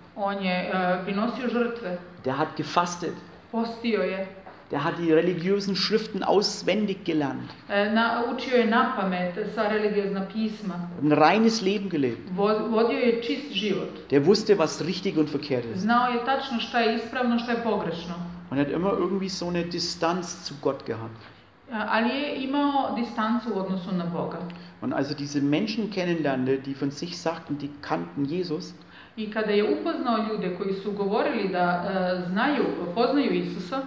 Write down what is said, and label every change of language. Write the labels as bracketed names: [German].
[Serbian] On je prinosio žrtve. [German] Der hat gefastet. [Serbian] Postio je. [German] Der hat die religiösen Schriften auswendig gelernt. [Serbian] Naučio je na pamet sa religiozna pisma. [German] Ein reines Leben gelebt. [Serbian] Vodio je čist život. [German] Der wusste, was richtig und verkehrt ist. [Serbian] Znao je tačno šta je ispravno, šta je pogrešno. [German] Und hat immer irgendwie so eine Distanz zu Gott gehabt. [Serbian] Ali je imao distancu u odnosu na Boga. [German] Und als er diese Menschen kennenlernte, die von sich sagten, die kannten Jesus. [Serbian] I kada je upoznao ljude koji su govorili da znaju, poznaju Isusa,